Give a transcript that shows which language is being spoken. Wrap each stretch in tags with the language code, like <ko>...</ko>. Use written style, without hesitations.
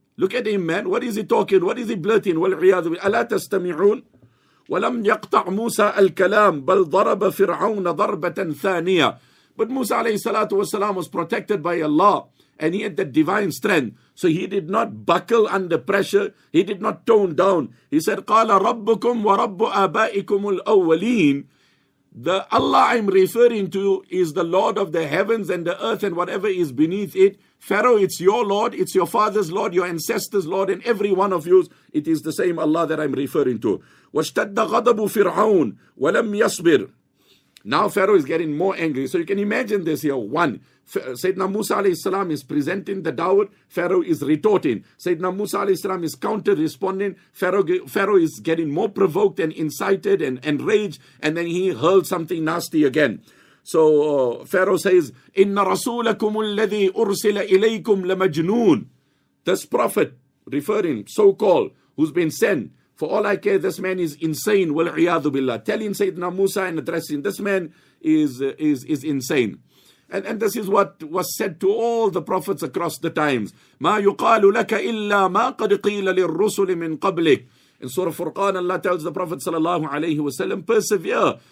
<en>Look at him, man. What is he talking? What is he blurting?</en> <ar>وَالْعِيَاذُ بِهِ أَلَا تَسْتَمِعُونَ. وَلَمْ يَقْطَعْ مُوسَى الْكَلَامِ بَلْ ضَرَبَ فِرْعَوْنَ ضَرْبَةً ثَانِيَةً.</ar> <en>But Musa alayhi salatu wasalam was protected by Allah and he had that divine strength. So he did not buckle under pressure. He did not tone down. He said,</en> <ar>قَالَ رَبُّكُمْ وَرَبُّ أَبَائِكُمُ الْأَوَّلِينَ.</ar> <en>The Allah I'm referring to is the Lord of the heavens and the earth and whatever is beneath it. Pharaoh, it's your Lord. It's your father's Lord, your ancestor's Lord, and every one of you, it is the same Allah that I'm referring to.</en> <ar>وَاشْتَدَّ غَضَبُ فِرْعَوْنَ وَلَمْ يَصْبِرْ.</ar> <en>Now Pharaoh is getting more angry. So you can imagine this here. One, Sayyidina Musa alayhi salam is presenting the da'wah. Pharaoh is retorting. Sayyidina Musa alayhi salam is counter-responding. Pharaoh is getting more provoked and incited and enraged. And then he hurls something nasty again. So Pharaoh says,</en> <ar>إِنَّ رَسُولَكُمُ الَّذِي أُرْسِلَ إِلَيْكُمْ لَمَجْنُونَ.</ar> <en>This prophet, referring, so-called, who's been sent, for all I care, this man is insane.</en> <ar>وَالْعِيَاذُ بِاللَّهِ.</ar> <en>Telling Sayyidina Musa and addressing, this man is insane. And this is what was said to all the prophets across the times.</en> <ar>مَا يُقَالُ لَكَ إِلَّا مَا قَدْ قِيلَ لِلرُّسُلِ مِنْ قَبْلِكَ.</ar> <en>In Surah Furqan, Allah tells the Prophet sallallahu alayhi wasallam, persevere.</en>